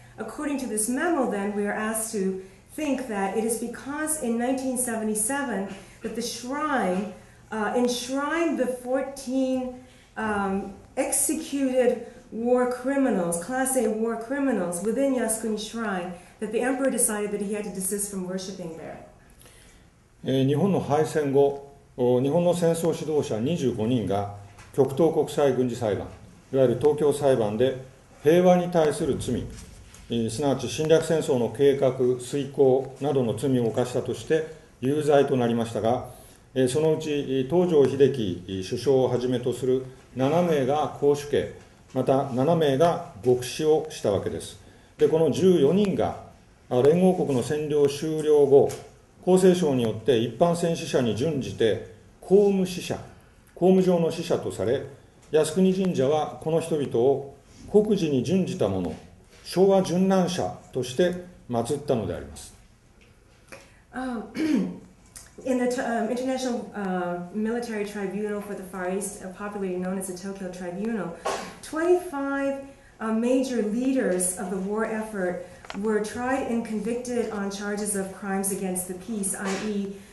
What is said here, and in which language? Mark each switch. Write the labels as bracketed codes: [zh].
[en] According to this memo then, we are asked to think that it is because in 1977 that the shrine enshrined the 14 executed war criminals, Class A war criminals, within Yasukuni Shrine, that the emperor decided that he had to desist from worshiping there. [ja] 日本の敗戦後、日本の戦争指導者25人が極東国際軍事裁判、いわゆる東京裁判で平和に対する罪、すなわち侵略戦争の計画、遂行などの罪を犯したとして有罪となりましたが、そのうち東条英機首相をはじめとする7名が絞首刑、また7名が獄死をしたわけです。で、この14人が連合国の占領終了後、厚生省によって一般戦死者に準じて公務死者、公務上の死者とされ、靖国神社はこの人々を国事に準じた者、昭和殉難者として祀ったのであります。 [en] In the International Military Tribunal for the Far East, popularly known as the Tokyo Tribunal, 25 major leaders of the war effort were tried and convicted on charges of crimes against the peace, i.e.